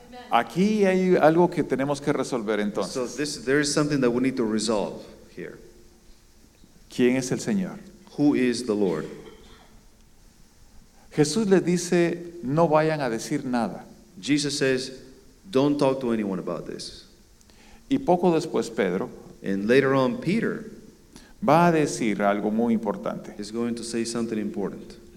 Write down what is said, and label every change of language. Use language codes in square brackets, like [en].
[es] Aquí hay algo que tenemos que resolver entonces. [en] So this, there is something that we need to resolve here. [es] ¿Quién es el Señor? [en] Who is the Lord? [es] Jesús les dice, no vayan a decir nada. [en] Jesus says, don't talk to anyone about this. [es] Y poco después, Pedro, [en] and later on, Peter [es] va a decir algo muy importante. [en] Is going to say something important.